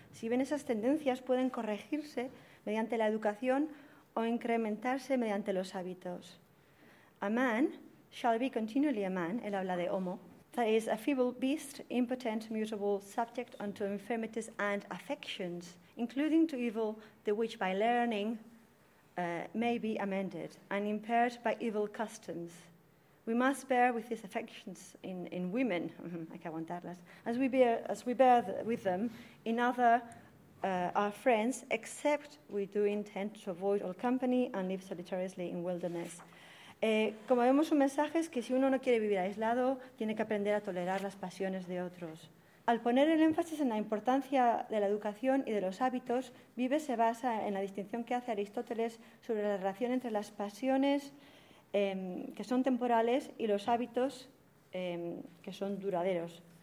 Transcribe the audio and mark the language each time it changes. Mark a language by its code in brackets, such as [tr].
[es] Si bien esas tendencias pueden corregirse mediante la educación o incrementarse mediante los hábitos. [en] A man shall be continually a man, [es] él habla de homo, [en] that is a feeble beast, impotent, mutable, subject unto infirmities and affections, including to evil, the which by learning may be amended, and impaired by evil customs. We must bear with these affections in women, [es] hay que aguantarlas, [en] as we bear with them in other our friends, except we do intend to avoid all company and live solitariously in wilderness. [es] Como vemos, un mensaje es que si uno no quiere vivir aislado, tiene que aprender a tolerar las pasiones de otros. Al poner el énfasis en la importancia de la educación y de los hábitos, Vives se basa en la distinción que hace Aristóteles sobre la relación entre las pasiones que son temporales y los hábitos que son duraderos.